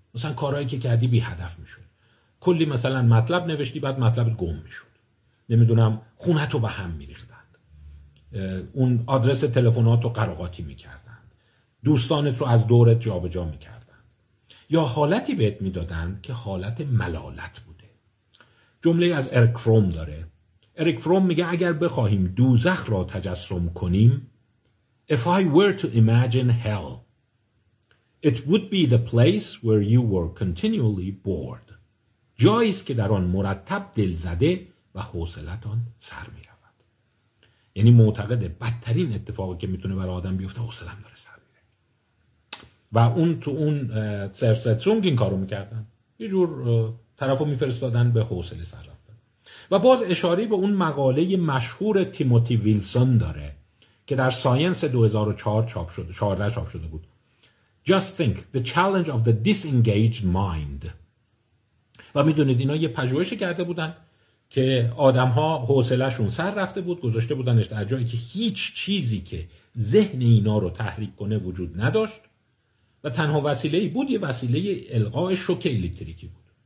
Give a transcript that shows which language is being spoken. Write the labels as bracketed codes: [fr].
[fa] مثلا کارهایی که کردی بی هدف میشد، کلی مثلا مطلب نوشتی بعد مطلب گم میشد، نمیدونم خونتو به هم میریختند، اون آدرس تلفناتو قراقاتی میکردند، دوستانت رو از دورت جابجا میکردند، یا حالتی بهت میدادند که حالت ملالت بوده. جمله از اریک فروم داره. اریک فروم میگه اگر بخواهیم دوزخ را تجسم کنیم، [en] If I were to imagine hell, it would be the place where you were continually bored. [fa] جاییست که در آن مرتب دل زده و حوصلتان سر می رود. یعنی معتقده بدترین اتفاقی که میتونه برای آدم بیفته حوصلم داره سر می ره. و اون تو اون سرسترونگ این کارو میکردن، یه جور طرفو میفرستادن به حوصله سر رفت. و باز اشاره به اون مقاله مشهور تیموتی ویلسون داره که در ساینس 2004 چاپ شده، 14 چاپ شده بود. [en] Just think, the challenge of the disengaged mind. [fa] و میدونید اینا یه پژوهش کرده بودن که آدم‌ها حوصله‌شون سر رفته بود، گذاشته بودنش در جایی که هیچ چیزی که ذهن اینا رو تحریک کنه وجود نداشت و تنها وسیله‌ای بود یه وسیله القاء شوک الکتریکی بود.